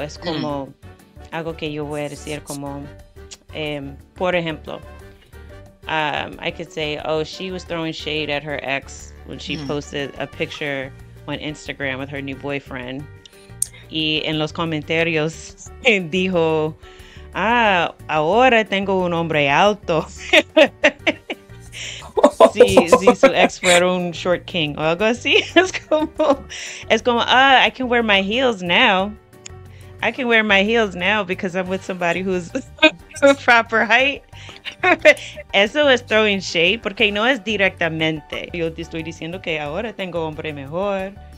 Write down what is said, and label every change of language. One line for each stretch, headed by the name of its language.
Spanish: Es como algo que yo voy a decir como, por ejemplo,
English: I could say, oh, she was throwing shade at her ex when she posted a picture on Instagram with her new boyfriend.
Spanish: Y en los comentarios dijo, ah, ahora tengo un hombre alto. Si su ex fuera un short king o algo así. Es como,
English: ah, I can wear my heels now. I can wear my heels now because I'm with somebody who's proper height.
Spanish: Eso es throwing shade porque no es directamente. Yo te estoy diciendo que ahora tengo hombre mejor.